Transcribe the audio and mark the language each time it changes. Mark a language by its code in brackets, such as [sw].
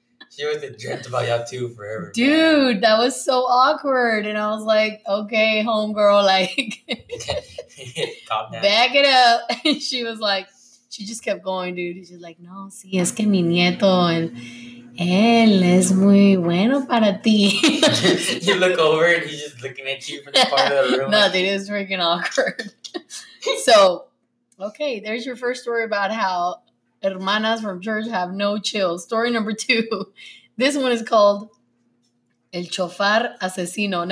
[en] She was a dreamt about y'all too forever. Dude, man. That was so awkward. And I was like, okay, homegirl, like, calm down. Back it up. And she was like, she just kept going, dude. She's like, [es] no, sí, es que mi nieto. And él es muy bueno para ti. [en] You look over and he's just looking at you from the part of the room. No, dude, it was freaking awkward. So, okay, there's your first story about how hermanas from church have no chill. Story number two. This one is called El Chofar Asesino.